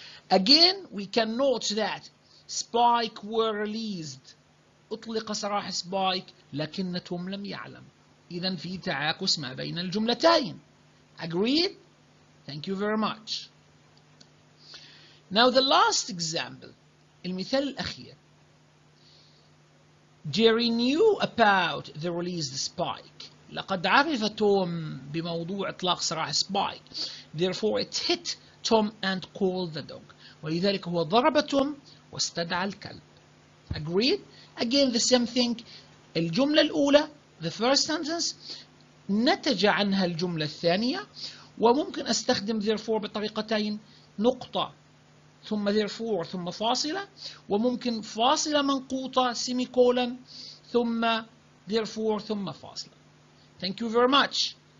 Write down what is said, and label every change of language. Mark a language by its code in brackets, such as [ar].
[en] Again, we can note that Spike were released. [ar] أطلق سراح سبايك لكن توم لم يعلم. إذن في تعاكس ما بين الجملتين. [en] Agreed? Thank you very much. Now the last example. [ar] المثال الأخير. [en] Jerry knew about the released spike. [ar] لقد عرف توم بموضوع إطلاق سراح سبايك. [en] Therefore it hit Tom and called the dog. [ar] ولذلك هو ضرب توم واستدعى الكلب. [en] Agreed? Again, the same thing. [ar] الجملة الأولى, [en] the first sentence, [ar] نتج عنها الجملة الثانية, وممكن أستخدم therefore بطريقتين, نقطة ثم therefore ثم فاصلة, وممكن فاصلة منقوطة semicolon ثم therefore ثم فاصلة. [en] Thank you very much.